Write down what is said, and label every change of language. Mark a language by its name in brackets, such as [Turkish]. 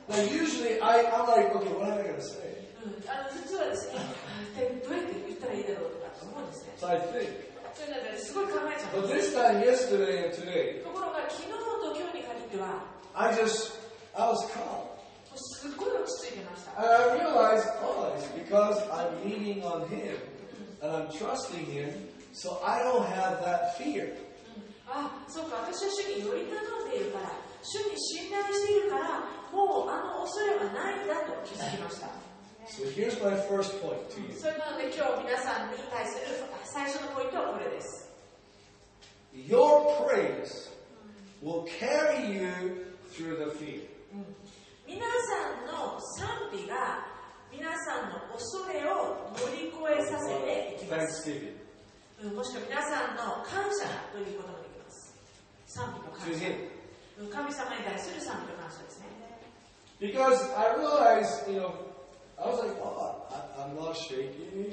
[English] But usually I'm like, okay, what am I gonna say? [Japanese] 普通はですね、どうやって言ったらいいだろうとか思うんですね。 [English] So I think. [Japanese] すごい考えちゃう。 [English] But this time, yesterday and today, [Japanese] ところが昨日と今日に限っては、 [English] I was calm. [Japanese] すっごい落ち着いてました。 [English] And I realized, oh, it's because I'm leaning on Him and I'm trusting Him, so I don't have that fear. [Japanese] あ、そうか。私は主に寄り頼んでいるから、主に信頼しているから、もう恐れはないんだと気づきました。 [English] So here's my first point to you. [Japanese] それなので今日皆さんに対する最初のポイントはこれです。 [English] Your praise will carry you through the fear. [Japanese] 皆さんの賛美が皆さんの恐れを乗り越えさせていきます。 [English] Thanksgiving. [Japanese] もしくは皆さんの感謝ということもできます。賛美と感謝。神様に対する賛美と感謝ですね。 [English] Because I realize, you know,I was like, oh, I'm not shaking.